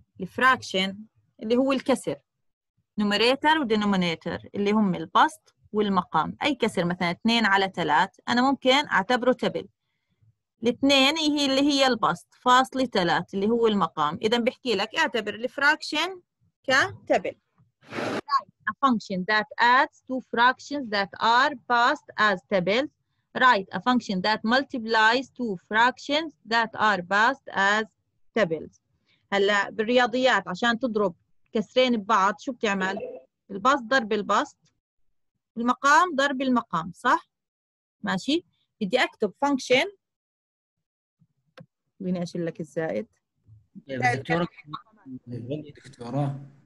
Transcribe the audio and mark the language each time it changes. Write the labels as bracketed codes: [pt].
[ar] الفراكشن اللي هو الكسر، نوميريتر ودينومينيتر اللي هم البسط والمقام. اي كسر مثلا 2 على 3 انا ممكن اعتبره تبل. الاثنين هي اللي هي البسط فاصلة 3 اللي هو المقام. إذا بحكي لك اعتبر الفراكشن كتبل. [en] Write a function that adds two fractions that are passed as tables. Write a function that multiplies two fractions that are passed as tables. [ar] هلا بالرياضيات عشان تضرب كسرين ببعض شو بتعمل؟ البسط ضرب البسط، المقام ضرب المقام، صح؟ ماشي. بدي أكتب function. بدي اشيل لك الزائد. دكتوره